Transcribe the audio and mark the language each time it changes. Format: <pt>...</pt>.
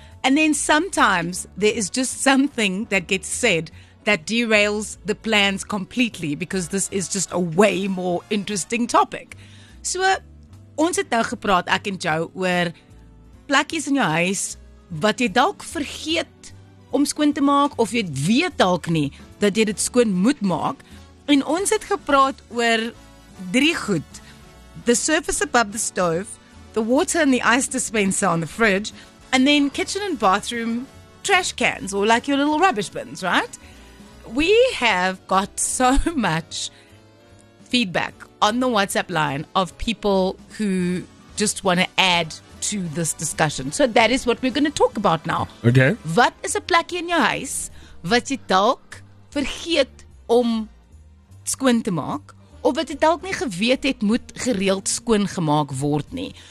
<en>And then sometimes there is just something that gets said that derails the plans completely, because this is just a way more interesting topic.</en> <af>So, ons het nou gepraat, ek en Joe, oor plekjies in jou huis wat jy dalk vergeet om skoon te maak, of jy weet dalk nie dat jy dit skoon moet maak. En ons het gepraat oor drie goed.</af> <en>The surface above the stove, the water and the ice dispenser on the fridge, and then kitchen and bathroom trash cans, or like your little rubbish bins, right? We have got so much feedback on the WhatsApp line of people who just want to add to this discussion. So that is what we're going to talk about now. Okay.</en> <af>Wat is 'n plekkie in jou huis wat jy dalk vergeet om skoon te maak? Of wat jy dalk nie geweet het, moet gereeld skoon gemaak word nie.</af>